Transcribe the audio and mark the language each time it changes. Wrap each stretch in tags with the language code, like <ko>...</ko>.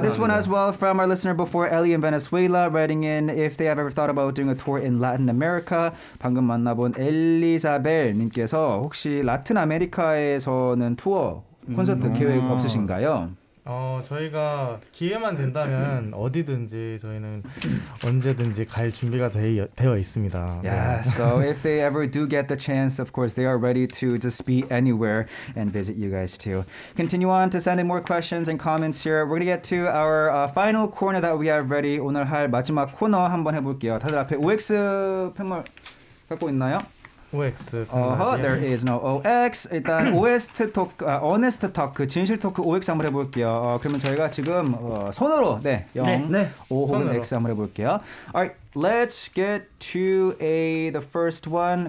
<en>This one as well from our listener before, Ellie in Venezuela, writing in if they have ever thought about doing a tour in Latin America.</en> <ko>방금 만나본 엘리자벨님께서 혹시 라틴 아메리카에서는 투어 콘서트 계획 없으신가요? 저희가 기회만 된다면 어디든지 저희는 언제든지 갈 준비가 되어 있습니다.</ko> <en>Yeah, 네. So if they ever do get the chance, of course they are ready to just be anywhere and visit you guys too. Continue on to send in more questions and comments here. We're gonna get to our final corner that we have ready.</en> <ko>오늘 할 마지막 코너 한번 해볼게요. 다들 앞에 OX 팬물 갖고 있나요? OX.</ko> <en>There is no OX.</en> <ko>일단 OST 토크, Honest Talk, 진실 토크 OX 한번 해볼게요. 그러면 저희가 지금 손으로 네, 0, 네. 5 혹은 X 한번 해볼게요.</ko> <en>Alright, let's get to the first one.</en>